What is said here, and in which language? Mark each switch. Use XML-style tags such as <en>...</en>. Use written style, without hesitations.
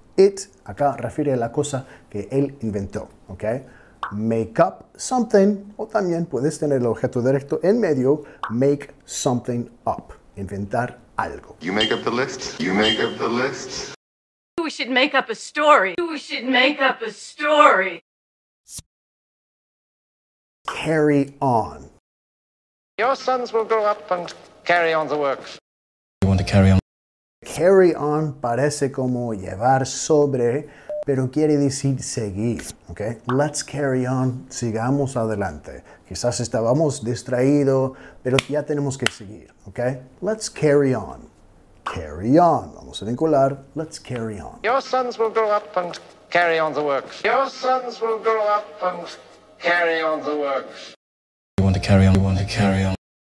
<es>It, acá refiere a la cosa que él inventó, ¿ok? Make up something, o también puedes tener el objeto directo en medio,</es> <en>make something up,</en> <es>inventar algo.</es> <en>You make up the list, you make up the list. We should make up a story, we should make up a story. Carry on. Your sons will grow up and carry on the work. You want to carry on?</en> <es>Carry on parece como llevar sobre, pero quiere decir seguir, ¿ok?</es> <en>Let's carry on,</en> <es>sigamos adelante. Quizás estábamos distraídos, pero ya tenemos que seguir, ¿ok?</es> <en>Let's carry on. Carry on.</en> <es>Vamos a vincular.</es> <en>Let's carry on. Your sons will grow up and carry on the work. Your sons will grow up and carry on the work. You want to carry on, you want to carry on.</en>